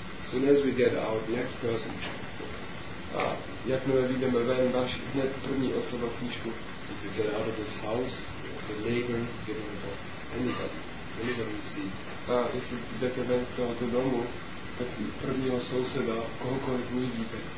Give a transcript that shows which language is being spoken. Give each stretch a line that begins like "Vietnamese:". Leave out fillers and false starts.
English: Soon as we get out, next person.
Czech: A jakmile vyjdeme ven, další hned první osoba knížku.
English: If we get out of this house, the neighbor, given about anybody, anybody you see.
Czech: A jestli jdete ven z tohoto domu, tak prvního souseda, kohokoliv uvidíte,